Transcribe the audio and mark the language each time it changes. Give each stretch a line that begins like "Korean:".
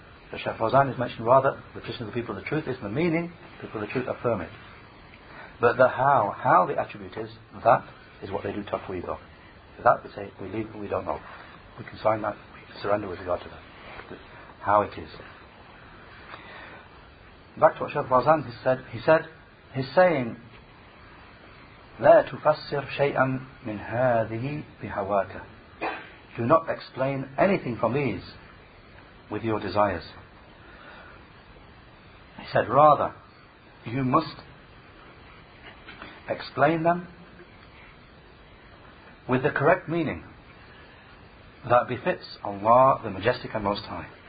English: The Shaykh Fawzan is mentioned rather, the position of the people of the truth is the meaning, people of the truth affirm it. But the how the attribute is, that is what they do tafweed of. For that we say, we don't know. We consign that, we surrender with regard to that. How it is. Back to what Shaykh Fawzan said. He said, he's saying,
Arabic: لَا تُفَسِّرْ شَيْئًا مِنْ هَذِهِ بِهَوَاكَ.
English: Do not explain anything from these with your desires. He said, rather, you must explain them with the correct meaning that befits Allah the Majestic and Most High.